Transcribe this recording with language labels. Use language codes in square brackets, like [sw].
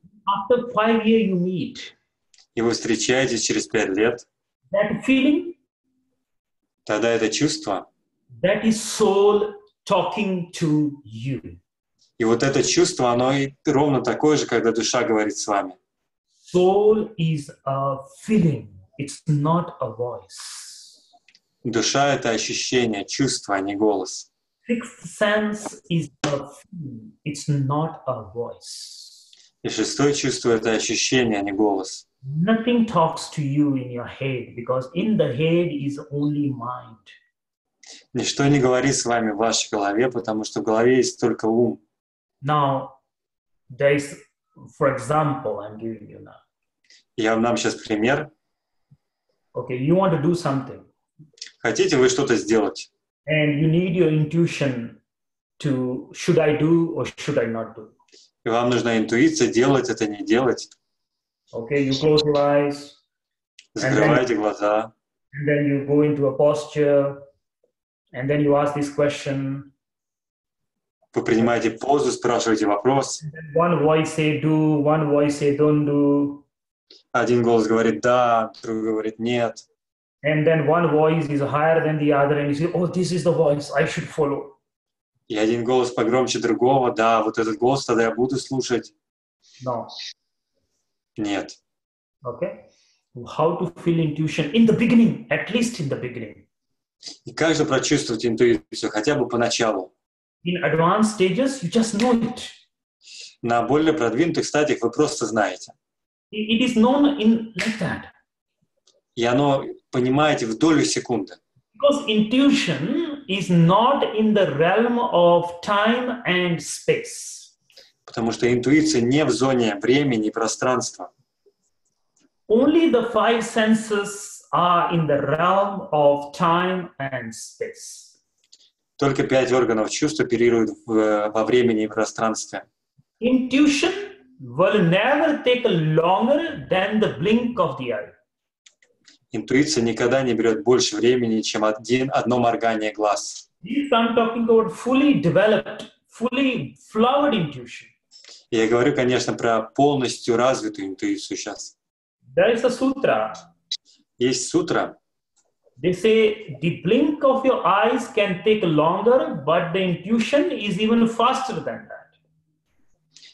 [en] after 5 years you meet, [ru] и вы встречаетесь через 5 лет, [en] that feeling, [ru] тогда это чувство, [en] that is soul talking to you. [ru] И вот это чувство, оно и ровно такое же, когда душа говорит с вами. [en] Soul is a feeling, it's not a voice. [ru] Душа — это ощущение, чувство, а не голос. [en] Sixth sense is a feeling, it's not a voice. [ru] И шестое чувство — это ощущение, а не голос. [en] Nothing talks to you in your head, because in the head is only mind. [ru] Ничто не говорит с вами в вашей голове, потому что в голове есть только ум. [en] Now, there is, for example, I'm giving you now. [ru] Я вам дам сейчас пример. [en] Okay, you want to do something. [ru] Хотите вы что-то сделать? [en] And you need your intuition to should I do or should I not do? [ru] И вам нужна интуиция делать это, не делать. [en] Okay, you close your eyes. [ru] Закрывайте глаза. [en] And then you go into a posture. And then you ask this question. [ru] Вы принимаете позу, спрашиваете вопрос. [en] One voice say do, one voice say don't do. [ru] Один голос говорит да, другой говорит нет. [en] And then one voice is higher than the other, and you say, oh, this is the voice I should follow. [ru] И один голос погромче другого, да, вот этот голос тогда я буду слушать. [en] No. [ru] Нет. [en] Okay. How to feel intuition in the beginning, at least in the beginning. [ru] И как же прочувствовать интуицию, хотя бы поначалу? [en] In advanced stages, you just know it. [ru] На более продвинутых стадиях вы просто знаете. [en] It is known in like that. [ru] И оно, понимаете, в долю секунды. [en] Because intuition is not in the realm of time and space. [ru] Потому что интуиция не в зоне времени и пространства. [en] Only the five senses are in the realm of time and space. [ru] Только пять органов чувств оперируют во времени и пространстве. [en] Intuition will never take longer than the blink of the eye. [ru] Интуиция никогда не берет больше времени, чем одно моргание глаз. [en] I'm talking about fully developed, fully flowered intuition. [ru] Я говорю, конечно, про полностью развитую интуицию сейчас. [en] There is a sutra. [ru] Есть сутра. [en] They say the blink of your eyes can take longer, but the intuition is even faster than that.